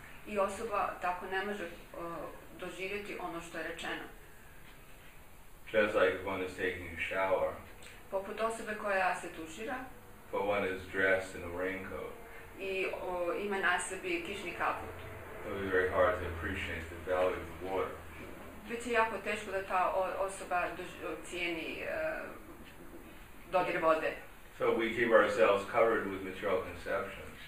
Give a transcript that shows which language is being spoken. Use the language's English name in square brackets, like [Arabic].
[Croatian] I osoba tako ne može doživjeti ono što je rečeno. [English] Just like one is taking a shower. [Croatian] Poput osobe koja se tušira. [English] But one is dressed in a raincoat. [Croatian] I ima na sebi kišni kaput. [English] It would be very hard to appreciate the value of the water. [Croatian] Biće jako teško da ta osoba cijeni dodir vode. [English] So we keep ourselves covered with material conceptions.